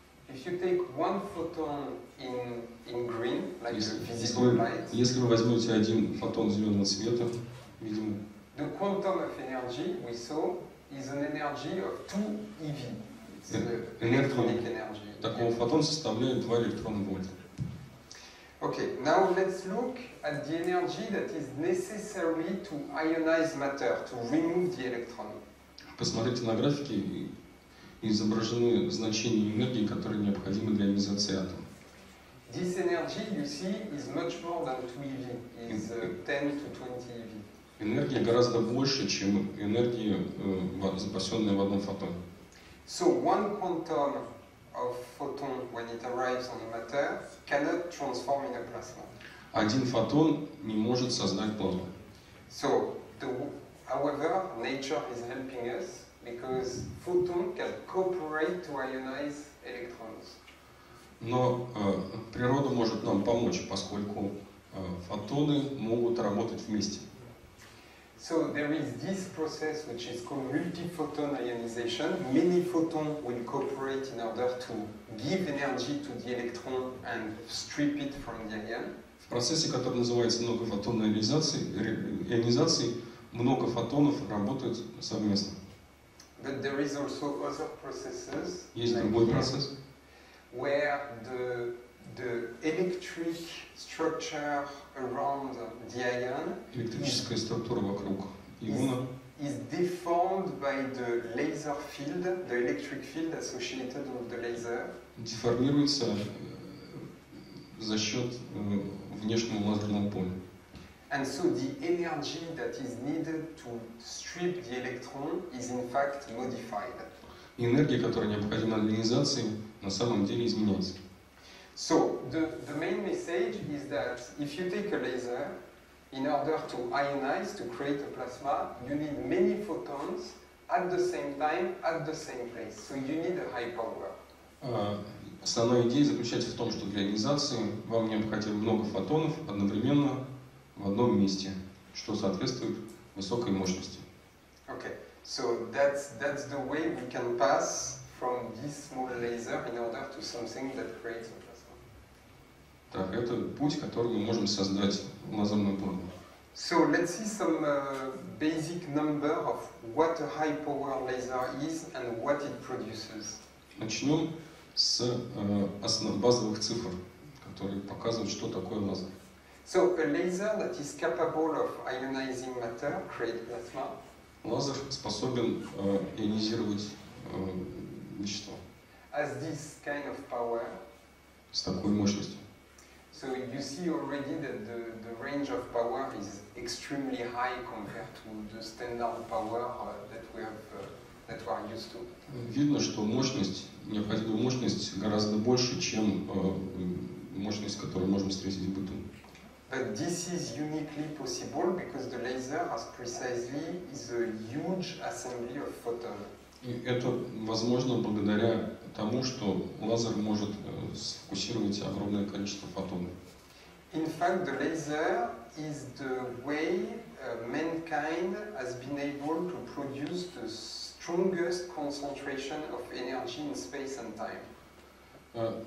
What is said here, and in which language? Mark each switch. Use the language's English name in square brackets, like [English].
[English] If you take one photon in green, like a visible light. [Russian] Если вы возьмете один фотон зеленого цвета, видимо. [English] The quantum of energy we saw is an energy of 2 eV. [Russian] Такого фотона составляет 2 электрона вольта. [English] Okay, now let's look at the energy that is necessary to ionize matter, to remove the electron. [Russian] Посмотрите на графике, изображены значения энергии, которые необходимы для ионизации атома. [English] This energy, you see, is much more than 2 eV, is 10 to 20 eV. [Russian] Энергия гораздо больше, чем энергия, запасенная в одном фотоне. [English] So one quantum of photon when it arrives on the matter cannot transform into plasma. [Russian] Один фотон не может создать плазму. [English] So, however, nature is helping us because photon can cooperate to ionize electrons. [Russian] Но природа может нам помочь, поскольку фотоны могут работать вместе. [English] So there is this process which is called multiphoton ionization. Many photons will cooperate in order to give energy to the electron and strip it from the ion. [Russian] В процессе, который называется многофотонной ионизацией, много фотонов работают совместно. [English] But there is also other processes. [Russian] Есть like другой процесс. [English] Where the electric structure around the ion. [Russian] Электрическая структура вокруг иона. [English] Is deformed by the laser field, the electric field associated with the laser. [Russian] Деформируется за счет внешнего лазерного поля. [English] And so the energy that is needed to strip the electron is in fact modified. [Russian] Энергия, которая необходима для ионизации, на самом деле изменяется. [English] So the main message is that if you take a laser, in order to ionize, to create a plasma, you need many photons at the same time, at the same place. So you need a high power. [Russian] Основная идея заключается в том, что для ионизации вам необходимо много фотонов одновременно в одном месте, что соответствует высокой мощности. [English] Okay, so that's the way we can pass from this small laser in order to something that creates a plasma. [Russian] Так, это путь, который мы можем создать лазерную плазму. [English] So let's see some basic number of what a high power laser is and what it produces. [Russian] Начнем с базовых цифр, которые показывают, что такое лазер. [English] So a laser that is capable of ionizing matter create plasma. [Russian] Лазер способен ионизировать вещество. [English] As this kind of power. [Russian] С такой мощностью. [English] So you see already that the range of power is extremely high compared to the standard power that we have that we are used to. [Russian] Видно, что мощность, необходимая мощность гораздо больше, чем мощность, которую можем встретить в быту. [English] But this is uniquely possible because the laser has precisely is a huge assembly of photons. [Russian] И это возможно благодаря тому, что лазер может сфокусировать огромное количество фотонов. [English] In fact, the laser is the way mankind has been able to produce the strongest concentration of energy in space and time.